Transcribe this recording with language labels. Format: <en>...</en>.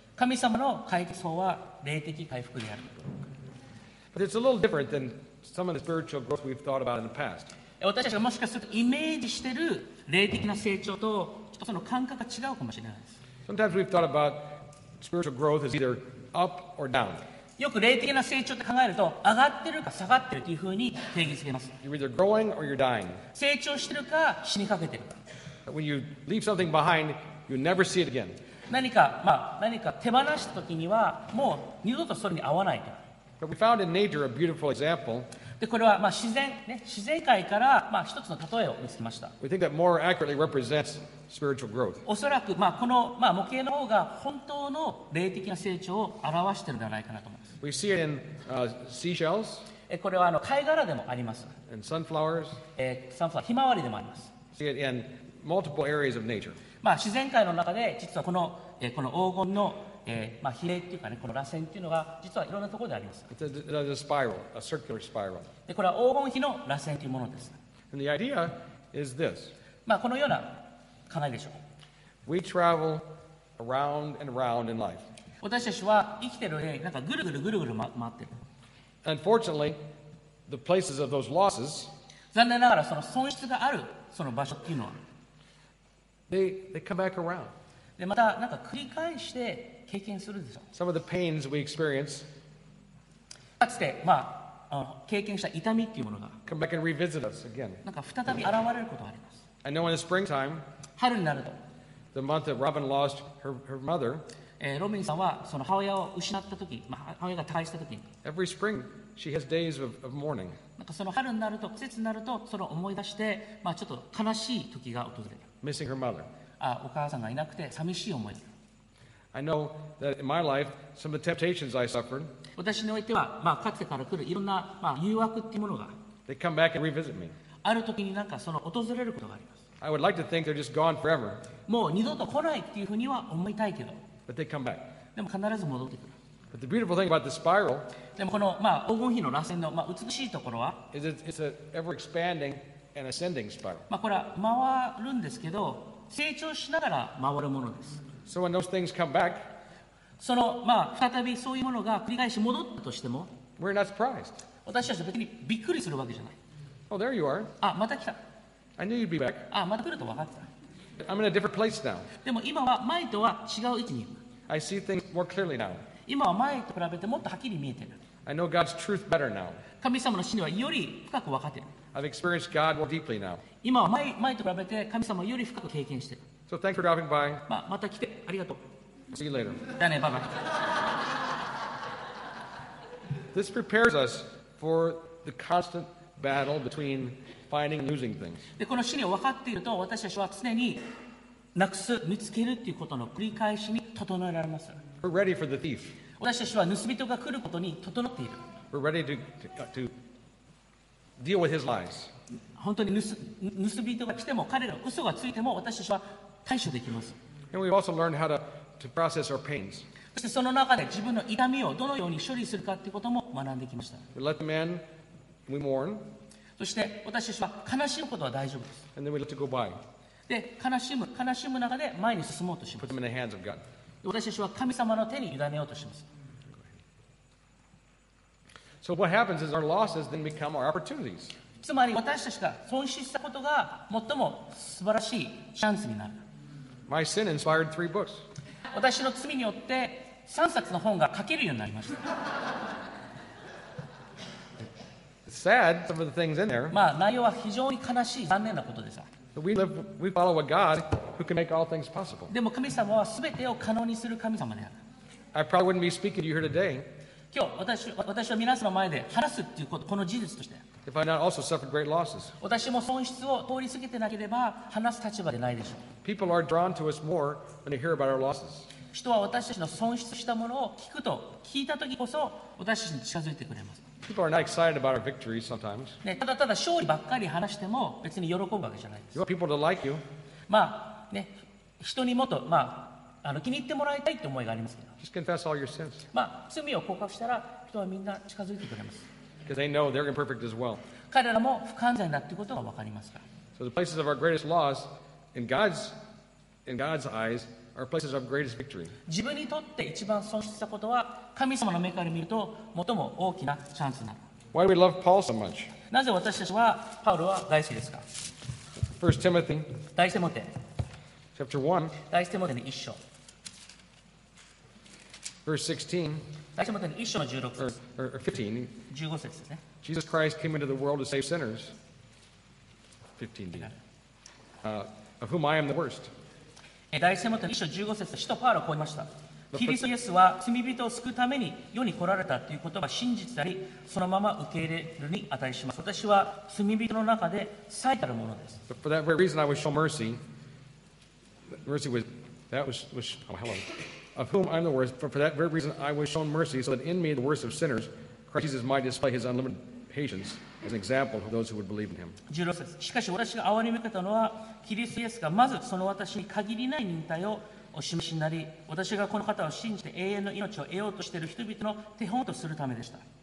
<ja>神様の解決法は霊的回復である。</ja> <en>But it's a little different than some of the spiritual growth we've thought about in the past.</en> <ja>私たちがもしかするとイメージしている霊的な成長とちょっとその感覚が違うかもしれないです。</ja> <en>Sometimes we've thought about spiritual growth as either up or down.</en> <ja>よく霊的な成長って考えると上がってるか下がってるというふうに定義づけます。</ja> <en>You're either growing or you're dying.</en> <ja>成長してるか死にかけてるか。</ja> <en>But when you leave something behind, you never see it again.</en> <ja>何か、まあ、何か手放したときにはもう二度とそれに合わないと。</ja> <en>But we found in nature a beautiful example.</en> <ja>でこれは、まあ 自然界から、まあ、一つの例えを見つけました。</ja> <en>We think that more accurately represents spiritual growth.</en> <ja>おそらく、まあ、この、まあ、模型の方が本当の霊的な成長を表しているのではないかなと思います。</ja> <en>We see it in, seashells.</en> <ja>これはあの貝殻でもあります。</ja> <en>And sunflowers.</en> <ja>ひまわりでもあります。</ja> <en>See it in multiple areas of nature.</en> <ja>まあ、自然界の中で実はこ の,、この黄金の、まあ、比例というか、ね、この螺旋というのが実はいろんなところであります。</ja> <en>It's a spiral, a circular spiral.</en> <ja>でこれは黄金比の螺旋というものです。</ja> <en>And the idea is this.</en> <ja>まあこのような考えでしょう。</ja> <en>We travel around and around in life.</en> <ja>私たちは生きているのでなんかぐるぐるぐるぐる回っている。</ja> <en>Unfortunately, the places of those losses,</en> <ja>残念ながらその損失があるその場所というのは</ja> <en>They come back around.</en> <ja>でまたなんか繰り返して経験するでしょ。</ja> <en>Some of the pains we experience.</en> <ja>かつて、まあ、経験した痛みっていうものが</ja> <en>come back and revisit us again.</en> <ja>なんか再び現れることがあります。</ja> <en>I know in the springtime,</en> <ja>春になると</ja> <en>the month that Robin lost her mother,</en> <ja>ロビンさんはその母親を失ったとき、まあ、母親が他界したとき</ja> <en>every spring,She has days of mourning.</en> <ja>なんかその春になると季節になるとその思い出して、まあ、ちょっと悲しい時が訪れる。</ja> <en>Missing her mother.</en> <ja>あ、お母さんがいなくて寂しい思い。</ja> <en>I know that in my life, some of the temptations I suffered.</en> <ja>私においては、まあ、かつてから来るいろんな、まあ、誘惑っていうものが。</ja> <en>They come back and revisit me.</en> <ja>ある時になんかその訪れることがあります。</ja> <en>I would like to think they're just gone forever.</en> <ja>もう二度と来ないっていうふうには思いたいけど。</ja> <en>But they come back.</en> <ja>でも必ず戻ってくる。</ja> <en>But the beautiful thing about the spiral</en> <ja>でもこの、まあ、黄金比の螺旋の、まあ、美しいところは</ja> <en>is it's an ever expanding and ascending spiral.</en> <ja>まあこれは回るんですけど成長しながら回るものです。</ja> <en>So when those things come back,</en> <ja>その、まあ、再びそういうものが繰り返し戻ったとしても</ja> <en>we're not surprised.</en> <ja>私たちは別にびっくりするわけじゃない。</ja> <en>Oh, there you are.</en> <ja>あ、また来た。</ja> <en>I knew you'd be back.</en> <ja>あ、また来ると分かった。</ja> <en>I'm in a different place now.</en> <ja>でも今は前とは違う位置にいる。</ja> <en>I see things more clearly now.</en> <ja>今は前と比べてもっとはっきり見えてる。</ja> <en>I know God's truth better now.</en> <ja>神様の真理はより深く分かってる。</ja> <en>I've experienced God more deeply now.</en> <ja>今は前と比べて神様をより深く経験してる。</ja> <en>So thanks for dropping by.</en> <ja>まあ、また来て、ありがとう。</ja> <en>See you later.</en> <ja>じゃあね、バイバイ。</ja> <en>This prepares us for the constant battle between finding and losing things.</en> <ja>で、この真理を分かっていると、私たちは常になくす、見つけるっていうことの繰り返しに整えられます。</ja> <en>We're ready for the thief.</en> <ja>私たちは盗人が来ることに整っている。</ja> <en>We're ready to deal with his lies.</en> <ja>本当に盗人が来ても彼ら嘘がついても私たちは対処できます。</ja> <en>And we've also learned how to process our pains.</en> <ja>そしてその中で自分の痛みをどのように処理するかということも学んできました。</ja> <en>We let them in, we mourn.</en> <ja>そして私たちは悲しむことは大丈夫です。</ja> <en>And then we let to go by.</en> <ja>で、悲しむ中で前に進もうとします。</ja> <en>Put them in the hands of God.</en> <ja>私たちは神様の手に委ねようとします。</ja> <en>So what happens is our losses then become our opportunities.</en> <ja>つまり私たちが損失したことが最も素晴らしいチャンスになる。</ja> <en>My sin inspired three books.</en> <ja>私の罪によって3冊の本が書けるようになりました。</ja> <en>It's sad, some of the things in there.</en> <ja>まあ内容は非常に悲しい、残念なことです。</ja> <en>We follow a God who can make all things possible.</en> <ja>でも神様はすべてを可能にする神様である。</ja> <en>I probably wouldn't be speaking to you here today.</en> <ja>今日私は皆さんの前で話すっていうこと、この事実として。</ja> <en>If I not also suffered great losses.</en> <ja>私も損失を通り過ぎてなければ話す立場でないでしょう。</ja> <en>People are drawn to us more when they hear about our losses.</en> <ja>人は私たちの損失したものを聞くと、聞いた時こそ私たちに近づいてくれます。</ja> <en>People are not excited about our victories sometimes.</en> <ja>ね、ただただ勝利ばっかり話しても別に喜ぶわけじゃないです。</ja> <en>You want people to like you.</en> <ja>まあね、人にもっと、まあ、気に入ってもらいたいって思いがありますけど。</ja> <en>Just confess all your sins.</en> <ja>まあ、罪を告白したら人はみんな近づいてくれます。</ja> <en>Because they know they're imperfect as well.</en> <ja>彼らも不完全だっていうことがわかりますから。</ja> <en>So the places of our greatest loss in God's eyes are places of greatest victory.</en> <ja>自分にとって一番損失したことは神様の目から見ると最も大きなチャンスになる。</ja> <en>Why do we love Paul so much?</en> <ja>なぜ私たちはパウロは大好きですか?</ja> <en>1 Timothy</en> <ja>第1テモテ</ja> <en>Chapter 1</en> <ja>第1テモテの1章</ja> <en>Verse 16</en> <ja>第1テモテの1章の16節</ja> <en>or 15</en> <ja>15節ですね</ja> <en>Jesus Christ came into the world to save sinners 15 of whom I am the worst</en> <ja>第1テモテの1章15節使徒パウロは言いましたキリストイエスは罪人を救うために世に来られたということは真実でありそのまま受け入れるに値します私は罪人の中で最たるものです</ja> <en>But for that very reason I will show mercy was that was oh hello of whom I'm the worst but for that very reason I was shown mercy so that in me the worst of sinners Christ Jesus might display his unlimited patience as an example of those who would believe in him</en> <ja>16節しかし私が憐れみ受けたのはキリストイエスがまずその私に限りない忍耐をお示しになり私がこの方を信じて永遠の命を得ようとしている人々の手本とするためでした</ja>